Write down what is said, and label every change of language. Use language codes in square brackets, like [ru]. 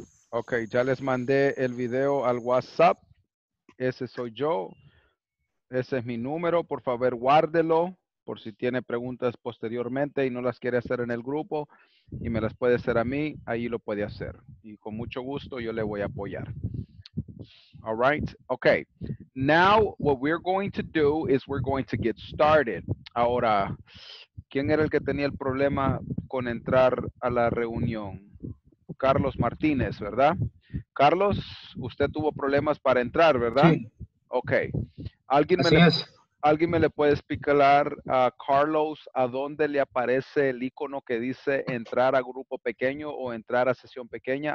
[es] Ok, ya les mandé el video al WhatsApp. Ese soy yo. Ese es mi número. Por favor, guárdelo por si tiene preguntas posteriormente y no las quiere hacer en el grupo y me las puede hacer a mí, ahí lo puede hacer. Y con mucho gusto yo le voy a apoyar. [en] All right. Ok. Now, what we're going to do is we're going to get started. [es] Ahora, ¿quién era el que tenía el problema con entrar a la reunión? Carlos Martínez, ¿verdad? Carlos, usted tuvo problemas para entrar, ¿verdad? Sí. Ok. ¿Alguien me le puede explicar a Carlos a dónde le aparece el icono que dice entrar a grupo pequeño o entrar a sesión pequeña?